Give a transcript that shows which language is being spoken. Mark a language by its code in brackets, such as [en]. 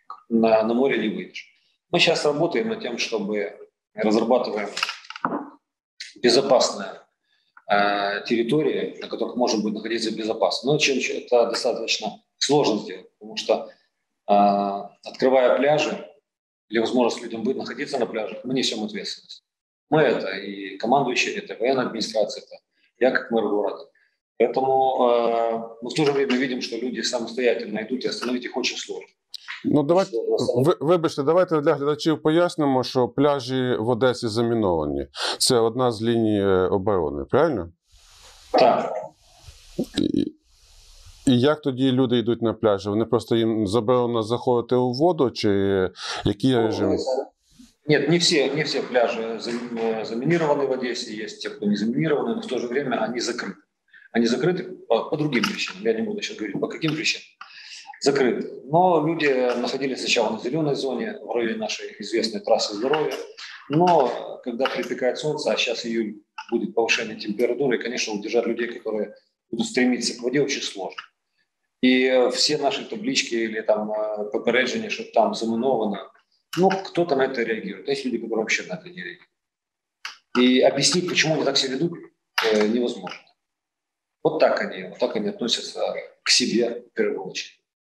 [uk] На морі не вийдеш. Ми зараз працюємо над тим, щоб розробляти безпечну територію, на яких можна буде знаходитися безпечно. Ну, чим це достатньо складно зробити, тому що відкриває пляжі, [ru] или возможность людям будет находиться на пляжах, мы несем ответственность. Мы это и командующие, это и военная администрация, это я как мэр города. Поэтому мы в то же время видим, что люди самостоятельно идут, и остановить их очень сложно. [uk] Ну, давайте, вибачте, давайте для глядачів пояснимо, що пляжі в Одесі заміновані. Це одна з ліній оборони, правильно? Так. І як тоді люди йдуть на пляжі? Вони просто їм заборонено заходити у воду, чи які режими? Ні, не всі пляжі замініровані в Одесі, є ті, хто не замінірований, але в той же час вони закриті. Вони закриті по другим причинам, я не буду зараз говорити, по яким причинам. Закриті. Але люди знаходилися спочатку на зеленій зоні, в районі нашої звісної траси здоров'я. Але коли припікає сонце, а зараз буде повищення температури, і, звісно, утримати людей, які [ru] будут стремиться к воде, очень сложно. И все наши таблички или там попереджения, что там заминовано, ну, кто-то на это реагирует. Есть люди, которые вообще на это не реагируют. И объяснить, почему они так себя ведут, невозможно. Вот так они относятся к себе в первую очередь.